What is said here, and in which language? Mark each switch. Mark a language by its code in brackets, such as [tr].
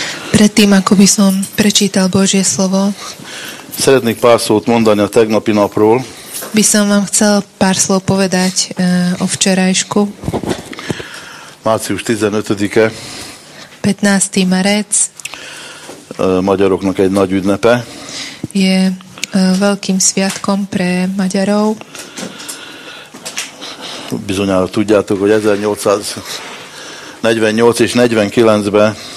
[sk] Predtým, ako by som prečítal Božie slovo, [hu] szeretnék pár szót mondani a tegnapi napról. [sk] By som vám chcel pár slov povedať o včerajšku. [hu] Március 15. [sk] 15. marec. [hu] Magyaroknak egy nagy ünnepe. [sk] Je veľkým sviatkom pre Maďarov. [hu] Bizonyára tudjátok, hogy 1848 és 49-ben